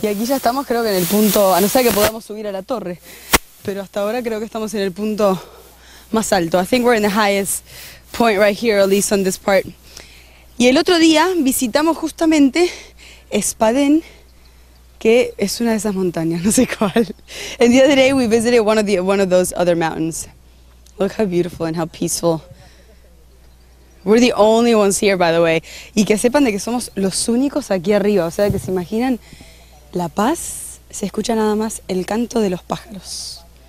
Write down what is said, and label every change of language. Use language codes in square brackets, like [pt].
[es] Y aquí ya estamos, creo que en el punto, a no ser que podamos subir a la torre. Pero hasta ahora creo que estamos en el punto más alto. [en] I think we're in the highest point right here, at least on this part. [es] Y el otro día visitamos justamente Espadén, que es una de esas montañas, no sé cuál. [en] And the other day we visited one of those other mountains. Look how beautiful and how peaceful. We're the only ones here, by the way. [es] Y que sepan de que somos los únicos aquí arriba. O sea, que se imaginan la paz, se escucha nada más el canto de los pájaros.